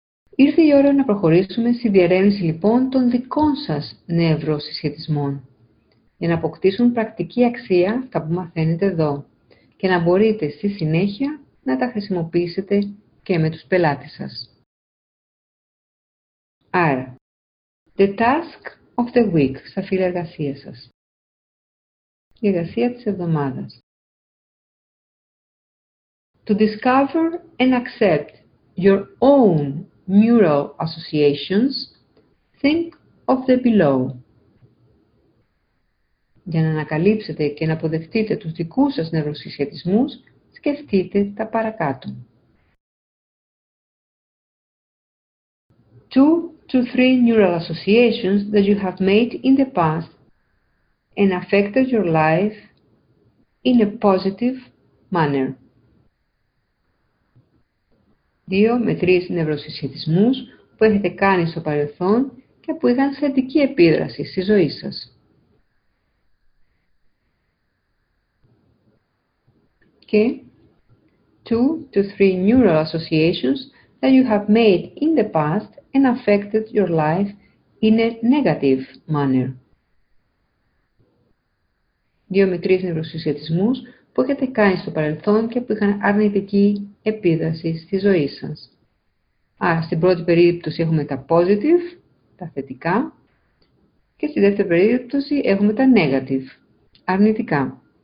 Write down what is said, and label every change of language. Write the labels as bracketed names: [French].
[Greek] Ήρθε η ώρα να προχωρήσουμε στη διερεύνηση λοιπόν των δικών σας νευροσυσχετισμών για να αποκτήσουν πρακτική αξία αυτά που μαθαίνετε εδώ και να μπορείτε στη συνέχεια να τα χρησιμοποιήσετε και με τους πελάτες σας. Άρα, [English] the task of the week [Greek] στα φύλλα εργασίας σας. Η εργασία της εβδομάδας. [English] To discover and accept your own neural associations, think of the below. [Greek] Για να ανακαλύψετε και να αποδεχτείτε τους δικούς σας νευροσυσχετισμούς, σκεφτείτε τα παρακάτω. [English] Two to three neural associations that you have made in the past and affected your life in a positive manner. [Greek] Δύο με τρεις νευροσυσχετισμούς που έχετε κάνει στο παρελθόν και που είχαν θετική επίδραση στη ζωή σας. [English] Και two to three neural associations that you have made in the past and affected your life in a negative manner. [Greek] Δύο με τρεις νευροσυσχετισμούς που έχετε κάνει στο παρελθόν και που είχαν αρνητική επίδραση στη ζωή σας. Άρα, στην πρώτη περίπτωση έχουμε τα positive, τα θετικά, και στη δεύτερη περίπτωση έχουμε τα negative, αρνητικά.